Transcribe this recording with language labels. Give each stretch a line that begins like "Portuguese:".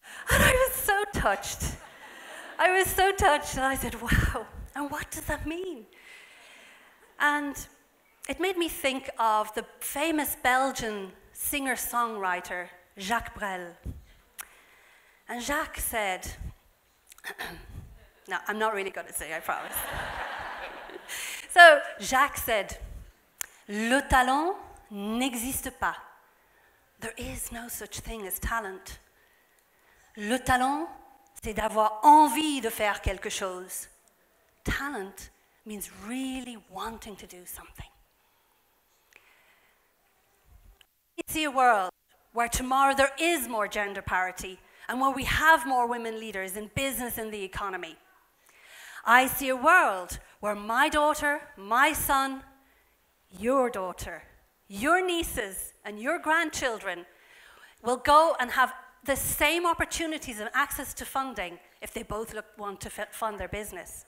English: And I was so touched. I was so touched, and I said, wow, and what does that mean? And it made me think of the famous Belgian singer-songwriter, Jacques Brel. And Jacques said, no, I'm not really going to sing, I promise. So Jacques said,
French: le talent n'existe pas.
English: There is no such thing as talent.
French: Le talent, c'est d'avoir envie de faire quelque chose.
English: Talent means really wanting to do something. I see a world where tomorrow there is more gender parity and where we have more women leaders in business and the economy. I see a world where my daughter, my son, your daughter, your nieces, and your grandchildren will go and have the same opportunities and access to funding if they both want to fund their business.